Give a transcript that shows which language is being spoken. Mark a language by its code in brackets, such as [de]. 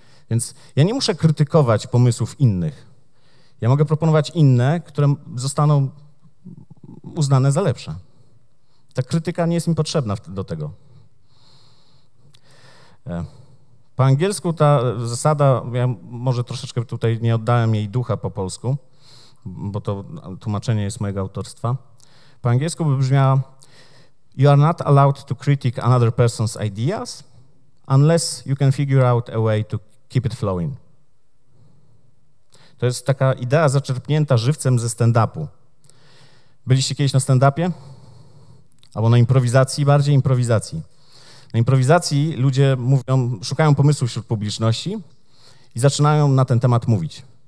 [pl] Więc ja nie muszę krytykować pomysłów innych. Ja mogę proponować inne, które zostaną uznane za lepsze. Ta krytyka nie jest mi potrzebna do tego. Po angielsku ta zasada, ja może troszeczkę tutaj nie oddałem jej ducha po polsku, bo to tłumaczenie jest mojego autorstwa. Po angielsku by brzmiała: [en] You are not allowed to critique another person's ideas unless you can figure out a way to keep it flowing. [pl] To jest taka idea zaczerpnięta żywcem ze stand-upu. Byliście kiedyś na stand-upie? Albo na improwizacji, bardziej improwizacji. Na improwizacji ludzie mówią, szukają pomysłów wśród publiczności i zaczynają na ten temat mówić.